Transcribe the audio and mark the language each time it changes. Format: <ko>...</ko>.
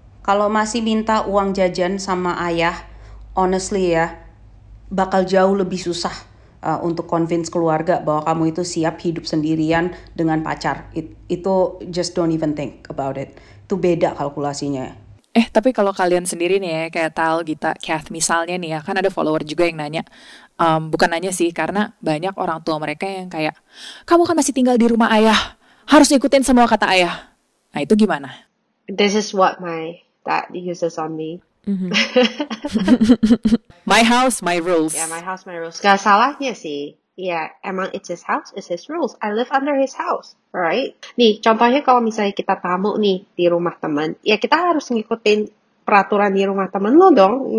<id>Kalau masih minta uang jajan sama ayah, honestly ya, bakal jauh lebih susah untuk convince keluarga bahwa kamu itu siap hidup sendirian dengan pacar.</id> <en>Itu just don't even think about it.</en> <id>Itu beda kalkulasinya. Tapi kalau kalian sendiri nih ya, kayak Tal, Gita, Kath misalnya nih ya, kan ada follower juga yang nanya. Bukan nanya sih, karena banyak orang tua mereka yang kayak, kamu kan masih tinggal di rumah ayah, harus ikutin semua kata ayah. Nah itu gimana?</id> <en>This is what my dad uses on me. Mm-hmm. My house, my rules. Yeah, my house, my rules.</en> <id>Gak salahnya sih.</id> <en>Yeah,</en> <id>emang</id> <en>it's his house, it's his rules. I live under his house, right?</en> <id>Nih, contohnya kalau misalnya kita tamu nih di rumah teman, ya kita harus ngikutin peraturan di rumah teman lo dong.</id>